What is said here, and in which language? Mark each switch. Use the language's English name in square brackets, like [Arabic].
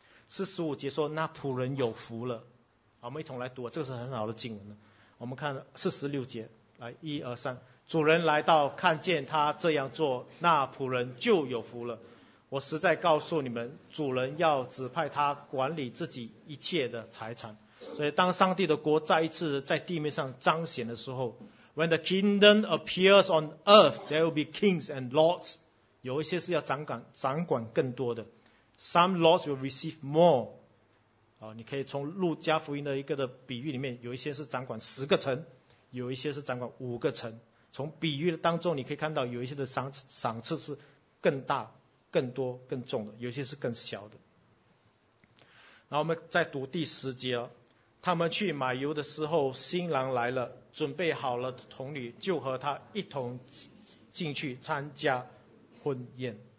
[Chinese] 四十五节说，那仆人有福了。我们一同来读，这个是很好的经文呢。我们看四十六节，来一二三，主人来到，看见他这样做，那仆人就有福了。我实在告诉你们，主人要指派他管理自己一切的财产。所以当上帝的国再一次在地面上彰显的时候， [English] When the kingdom appears on earth, there will be kings and lords. [Chinese] 有一些是要掌管更多的。 [English] Some lords will receive more. [Chinese] 你可以从路加福音的一个的比喻里面，有一些是掌管十个城，有一些是掌管五个城。从比喻当中你可以看到，有一些的赏赐是更大更多更重的，有一些是更小的。然后我们再读第十节哦。他们去买油的时候，新郎来了，准备好了的童女就和他一同进去参加婚宴。